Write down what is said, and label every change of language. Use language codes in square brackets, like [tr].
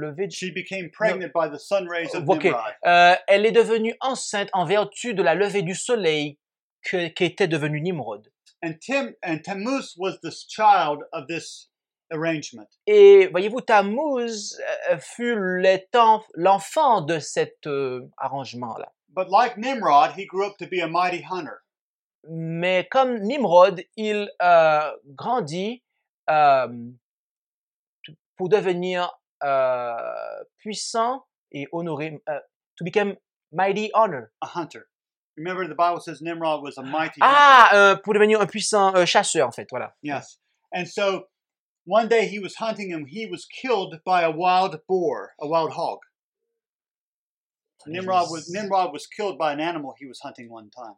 [en] she became pregnant by the sun rays of okay. Nimrod. [fr] Elle est devenue enceinte en vertu de la levée du soleil qu'était devenu Nimrod. [en] And Tammuz was the child of this arrangement. [fr] Et voyez-vous, Tammuz fut l'enfant de cet arrangement-là. [en] But like Nimrod, he grew up to be a mighty hunter. [fr] Mais comme Nimrod, il grandit pour devenir puissant et honoré. [en] To become mighty honor. A hunter. Remember, the Bible says Nimrod was a mighty. [fr] Pour devenir un puissant chasseur, en fait, voilà. [en] Yes, and so one day he was hunting and he was killed by a wild boar, a wild hog. Nimrod was killed by an animal he was hunting one time.